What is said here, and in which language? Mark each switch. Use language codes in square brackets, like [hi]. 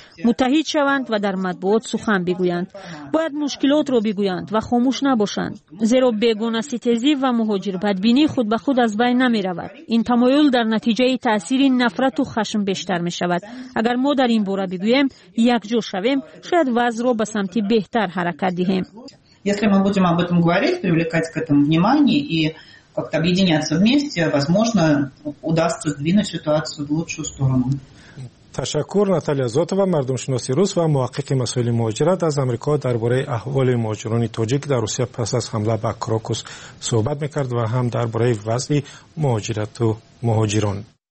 [fa] متحد شوند و در مطبوعات سخن بگویند. باید مشکلات را بگویند و خاموش نباشند. زیرا بیگانه ستیزی و مهاجر بدبینی خود به خود از بین نمی رود. این تمایل در نتیجه تأثیر نفرت و خشم بیشتر می شود. اگر ما در این باره بگوییم یک جو شویم، شاید وضع را به سمت بهتر حرکت دهیم. [ru] Если мы будем об этом говорить, привлекать к этому внимание и как-то объединяться вместе, возможно, удастся двинуть ситуацию в лучшую сторону. [fa] تشکر ناتالیا زوتوا، مردم شناسی روس و محقق مسائل مهاجرت از امریکا، درباره احوال مهاجران تاجیک در روسیه پس از حمله به کروکوس صحبت میکرد و هم درباره وضع مهاجرت و مهاجران.